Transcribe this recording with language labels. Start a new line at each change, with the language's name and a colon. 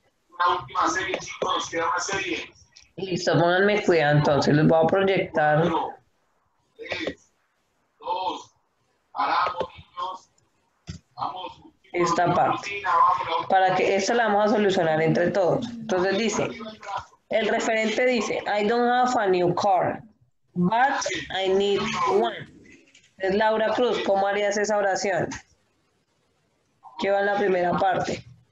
Spanish: Una última serie, chicos, nos queda una serie. Listo, pónganme cuidado entonces, les voy a proyectar. 1, 3, 2, paramos, niños. Vamos. Esta parte. Para que esta la vamos a solucionar entre todos. Entonces dice, el referente dice,
English: I don't have a new car. But I need one.
Spanish: Es Laura Cruz. ¿Cómo harías esa oración? ¿Qué va en la primera parte?